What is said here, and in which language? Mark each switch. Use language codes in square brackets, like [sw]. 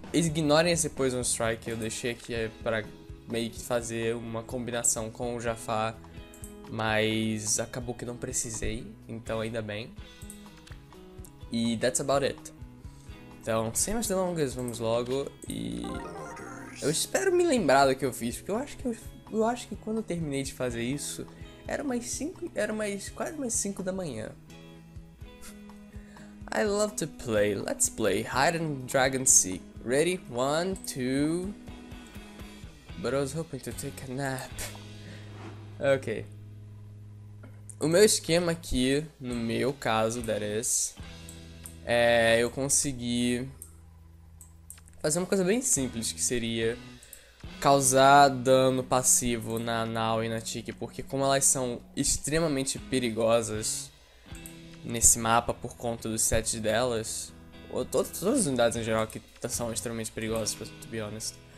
[pt] Ignorem esse Poison Strike, eu deixei aqui pra. Meio que fazer uma combinação com o Jafar, mas acabou que não precisei, então ainda bem. E [en] that's about it. [pt] Então, sem mais delongas, vamos logo. E eu espero me lembrar do que eu fiz, porque eu acho que quando eu terminei de fazer isso, era umas 5, era mais quase umas 5 da manhã. [en] I love to play. Let's play Hide and Drag and Seek. Ready? 1 2 But I was hoping to take a nap. Ok. [pt] O meu esquema aqui, no meu caso, [en] that is, [pt] é eu conseguir fazer uma coisa bem simples, que seria causar dano passivo na Nau e na Tiki, porque como elas são extremamente perigosas nesse mapa por conta dos sets delas, ou todas as unidades em geral que são extremamente perigosas, [en] to be honest.